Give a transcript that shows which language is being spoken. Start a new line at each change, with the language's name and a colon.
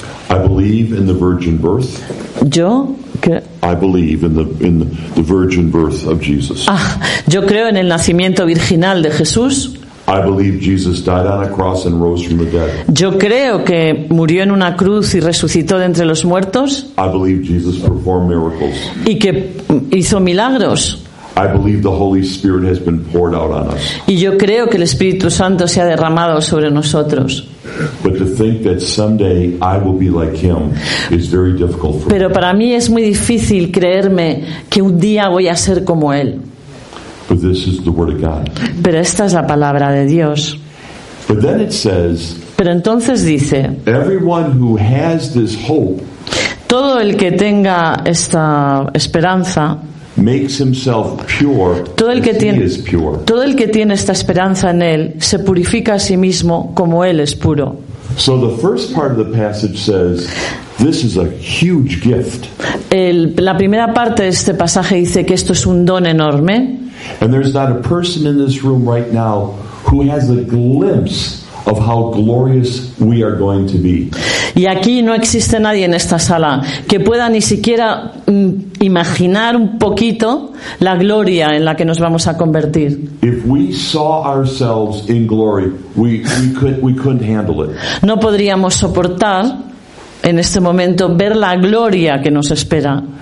English: I believe in the virgin birth.
Spanish: Yo que
English: I believe in the virgin birth of Jesus.
Spanish: Ah, yo creo en el nacimiento virginal de Jesús.
English: I believe Jesus died on a cross and rose from the dead.
Spanish: Yo creo que murió en una cruz y resucitó de entre los muertos.
English: I believe Jesus performed miracles.
Spanish: Y que hizo milagros.
English: I believe the Holy Spirit has been poured out on us.
Spanish: Y yo creo que el Espíritu Santo se ha derramado sobre nosotros.
English: But to think that someday I will be like him is very difficult for me.
Spanish: Pero para mí es muy difícil creerme que un día voy a ser como él.
English: But this is the word of God.
Spanish: Pero esta es la palabra de Dios.
English: But then it says,
Spanish: pero entonces dice,
English: everyone who has this hope,
Spanish: todo el que tenga esta esperanza,
English: makes himself pure,
Spanish: todo el que tiene,
English: he is pure.
Spanish: Todo el que tiene esta esperanza en él se purifica a sí mismo como él es puro.
English: So the first part of the passage says, this is a huge gift.
Spanish: La primera parte de este pasaje dice que esto es un don enorme.
English: And there's not a person in this room right now who has a glimpse of how glorious we are going to be.
Spanish: Y aquí no existe nadie en esta sala que pueda ni siquiera imaginar un poquito la gloria en la que nos vamos a convertir.
English: If we saw ourselves in glory, we couldn't handle it.
Spanish: No podríamos soportar en este momento ver la gloria que nos espera.